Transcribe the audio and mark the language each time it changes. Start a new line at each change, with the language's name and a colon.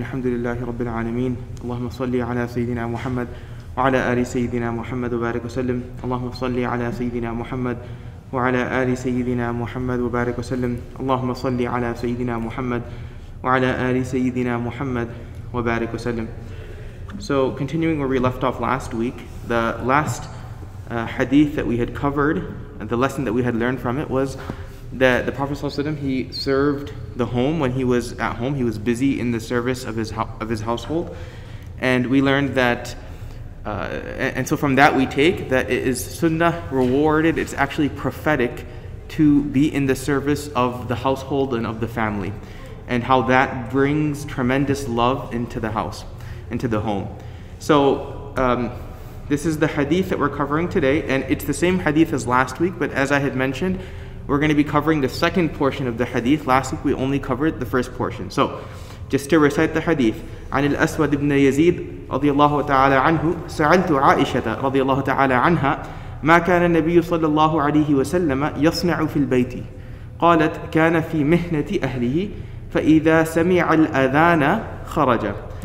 Arabic: الحمد لله رب العالمين. اللهم صل على سيدنا محمد وعلى آل سيدنا محمد وبارك وسلم. اللهم صل على سيدنا محمد وعلى آل سيدنا محمد وبارك وسلم. اللهم صل على سيدنا محمد وعلى آل سيدنا محمد وبارك وسلم.
English: So continuing where we left off last week, the last hadith that we had covered, the lesson that we had learned from it was that the Prophet ﷺ, he served the home when he was at home. He was busy in the service of his household, and we learned that. And so from that we take that it is sunnah rewarded, it's actually prophetic to be in the service of the household and of the family, and how that brings tremendous love into the house, into the home. So this is the hadith that we're covering today, and it's the same hadith as last week, but as I had mentioned, we're going to be covering the second portion of the hadith. Last week we only covered the first portion. So just to recite the hadith,
Arabic: عن الأسود بن يزيد رضي الله تعالى عنه سألت عائشة رضي الله تعالى عنها ما كان النبي صلى الله عليه وسلم يصنع في البيت قالت كان في مهنة أهله فإذا سمع الأذان خرج.